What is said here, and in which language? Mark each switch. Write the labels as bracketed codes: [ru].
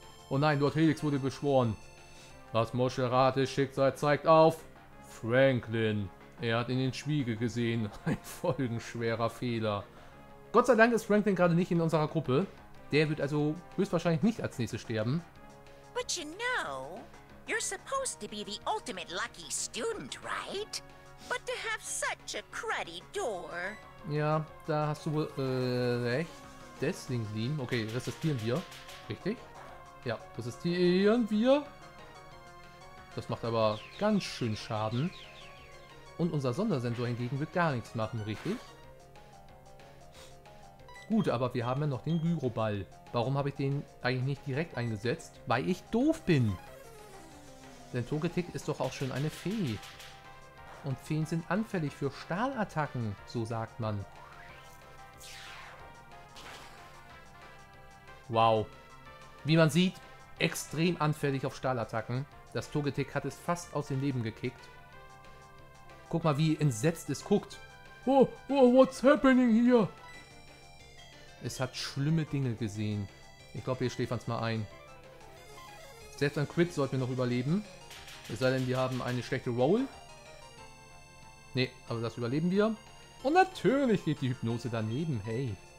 [de] Oh nein, Lord Helix wurde beschworen. Das moscherate Schicksal zeigt auf Franklin. Er hat in den Spiegel gesehen. Ein folgenschwerer Fehler. Gott sei Dank ist Franklin gerade nicht in unserer Gruppe. Der wird also höchstwahrscheinlich nicht als nächstes sterben. [en] But you know, you're supposed to be the ultimate lucky student, right? But to have such a cruddy door. [de] Ja, da hast du wohl recht. Deswegen, okay, resistieren wir. Richtig? Ja, resistieren wir. Das macht aber ganz schön Schaden. Und unser Sondersensor hingegen wird gar nichts machen, richtig? Gut, aber wir haben ja noch den Gyroball. Warum habe ich den eigentlich nicht direkt eingesetzt? Weil ich doof bin. Denn Togetic ist doch auch schon eine Fee. Und Feen sind anfällig für Stahlattacken, so sagt man. Wow. Wie man sieht, extrem anfällig auf Stahlattacken. Das Togetic hat es fast aus dem Leben gekickt. Guck mal, wie entsetzt es guckt. [en] Oh, oh, what's happening here? [de] Es hat schlimme Dinge gesehen. Ich glaube, wir schläfern es mal ein. Selbst ein Crit sollten wir noch überleben. Es sei denn, wir haben eine schlechte Roll. Nee, aber das überleben wir. Und natürlich geht die Hypnose daneben. Hey.